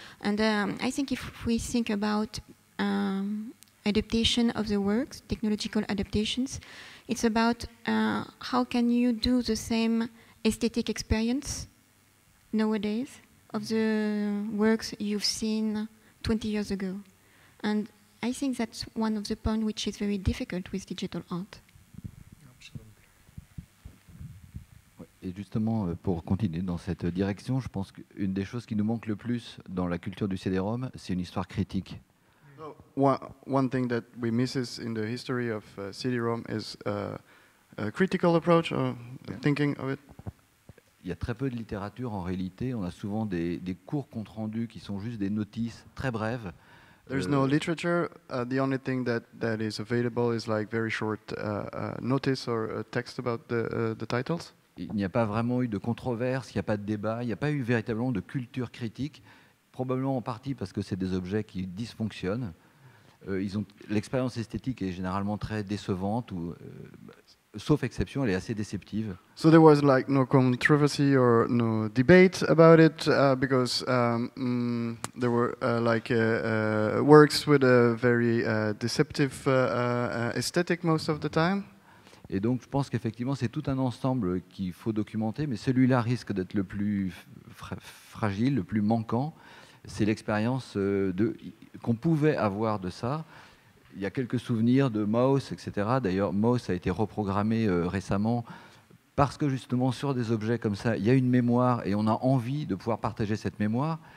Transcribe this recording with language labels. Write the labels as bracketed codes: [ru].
[en] And I think if we think about adaptation of the works, technological adaptations, it's about how can you do the same aesthetic experience nowadays of the works you've seen 20 years ago. And I think that's one of the points which is very difficult with digital art. [fr] Et justement, pour continuer dans cette direction, je pense qu'une des choses qui nous manque le plus dans la culture du CD-ROM, c'est une histoire critique. [en] One thing that we miss in the history of CD-ROM is a critical approach or thinking of it. [fr] Il y a très peu de littérature en réalité. On a souvent des courts comptes rendus qui sont juste des notices très brèves. [en] There's no literature. The only thing that is available is like very short notice or a text about the titles. [fr] Il n'y a pas vraiment eu de controverse, il n'y a pas de débat, il n'y a pas eu véritablement de culture critique, probablement en partie parce que c'est des objets qui dysfonctionnent. L'expérience esthétique est généralement très décevante, ou, sauf exception, elle est assez déceptive. [en] So there was like no controversy or no debate about it because there were like works with a very deceptive aesthetic most of the time. [fr] Et donc, je pense qu'effectivement, c'est tout un ensemble qu'il faut documenter, mais celui-là risque d'être le plus fragile, le plus manquant. C'est l'expérience qu'on pouvait avoir de ça. Il y a quelques souvenirs de Mouse, etc. D'ailleurs, Mouse a été reprogrammé récemment parce que, justement, sur des objets comme ça, il y a une mémoire et on a envie de pouvoir partager cette mémoire.